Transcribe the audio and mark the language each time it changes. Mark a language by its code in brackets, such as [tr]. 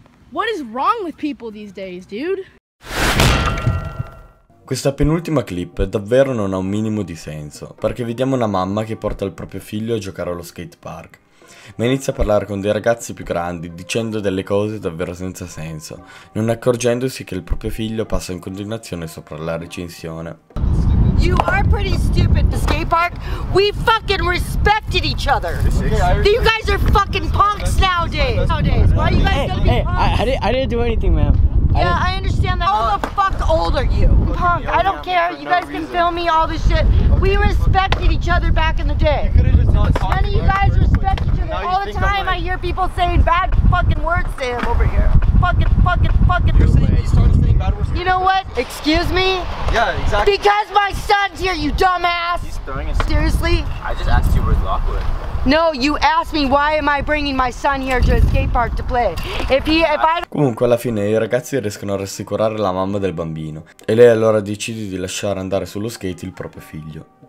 [en] What is wrong with people these days, dude? [it] Questa penultima clip davvero non ha un minimo di senso, perché vediamo una mamma che porta il proprio figlio a giocare allo skatepark. Ma inizia a parlare con dei ragazzi più grandi, dicendo delle cose davvero senza senso, non accorgendosi che il proprio figlio passa in continuazione sopra la recinzione. [en] You are pretty stupid, the skate park. We fucking respected each other. Okay, you guys are fucking punks nowadays. Why you guys gonna be punks? I didn't do anything, ma'am. Yeah, I understand that. How the fuck old are you? Punk, I don't care. You guys can film me all this shit. We respected each other back in the day. None of you guys respect each other. All the time I hear people saying bad fucking words to him over here. Fucking. You're saying he started saying bad words. You know what? Excuse me? Yeah, exactly. Because my son's here, you dumbass. He's throwing his... Seriously? I just asked you where his lock was. No, you asked me why am I bringing my son here to a skate park to play. [it] Comunque alla fine i ragazzi riescono a rassicurare la mamma del bambino e lei allora decide di lasciare andare sullo skate il proprio figlio.